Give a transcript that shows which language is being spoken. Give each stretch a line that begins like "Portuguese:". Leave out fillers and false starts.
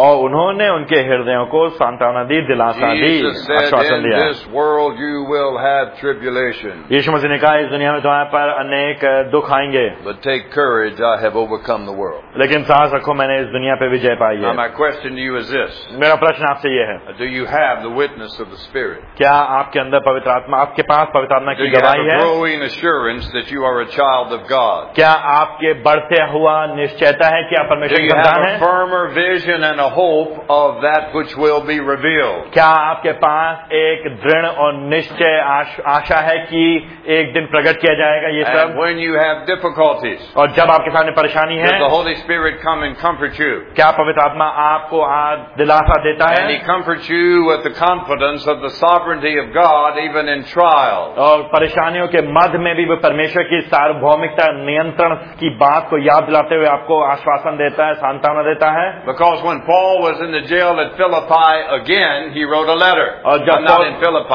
Hindi: और उन्होंने उनके हृदयों को सांत्वना दी, दिलासा दी, आश्वासन दिया.
English: In this world you will have tribulation.
Hindi: यीशु मसीह ने कहा इस दुनिया में तुम्हारे पर अनेक दुख आएंगे.
English: But take courage, I have overcome the world.
Hindi: लेकिन साहस रखो, मैंने इस दुनिया पे विजय पाई है.
English: Now my question to you is this.
Hindi: मेरा प्रश्न आपसे ये है.
English: Do you have the witness of the Spirit?
Hindi: क्या आपके अंदर पवित्र आत्मा, आपके पास पवित्र आत्मा की गवाही है?
English: Do you have a growing assurance that you are a child of God?
Hindi: क्या आपके बढ़ते हुआ निश्चयता है कि आप परमेश्वर के
English: A firmer vision and a hope of that which will be revealed.
Hindi: क्या आपके पास एक दृढ़ और निश्चय आशा है कि एक दिन प्रकट किया जाएगा ये सब?
English: And when you have difficulties,
Hindi: और जब आपके सामने परेशानी है,
English: does the Holy Spirit come and comfort you?
Hindi: क्या पवित्र आत्मा आपको दिलासा देता है?
English: And he comforts you with the confidence of the sovereignty of God even in trials.
Hindi: और परेशानियों के मध्य में भी वो परमेश्वर की सार्वभौमिकता नियंत्रण की बात को याद दिलाते हुए आपको आश्वासन देता है, सांत्वना देता है.
English: Because when Paul was in the jail at Philippi again, he wrote a letter.